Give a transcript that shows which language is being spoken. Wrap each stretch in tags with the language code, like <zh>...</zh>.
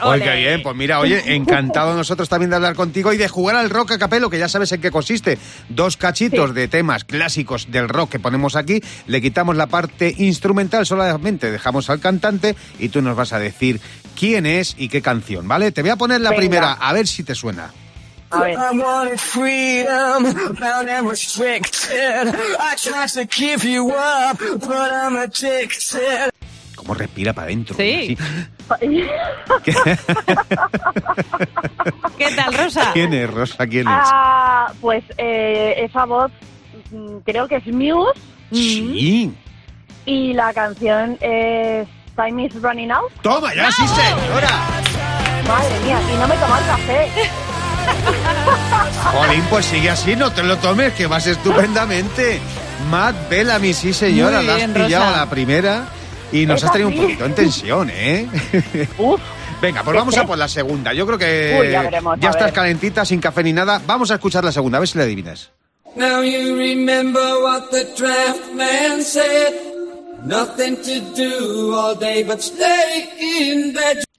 <es>Oye, qué bien, pues mira, oye, encantado nosotros también de hablar contigo y de jugar al rock a capelo, que ya sabes en qué consiste. 2 cachitos sí. De temas clásicos del rock que ponemos aquí, le quitamos la parte instrumental, solamente dejamos al cantante y tú nos vas a decir quién es y qué canción, ¿vale? Te voy a poner la Venga. Primera, a ver si te suena. A ver.</es> <en>I wanted freedom, bound and restricted. I tried to keep you up, but I'm addicted.</en> <es>Cómo respira para adentro. Sí. Así. ¿Qué tal, Rosa? ¿Quién es, Rosa? ¿Quién es? Ah, pues esa voz creo que es Muse. Sí. Y la canción es Time is Running Out. ¡Toma ya, ¡Bravo! Sí, señora! Madre mía, y no me tomo el café. Jolín, pues sigue así, no te lo tomes, que vas estupendamente. Matt Bellamy, sí, señora, muy la bien, has pillado Rosa. La primera. Y nos has tenido un poquito en tensión, ¿eh? Venga, pues vamos a por la segunda. Yo creo que ya estás calentita, sin café ni nada. Vamos a escuchar la segunda, a ver si la adivinas.</es> <en>Now you remember what the draft man said. Nothing to do all day but stay in bed.</en>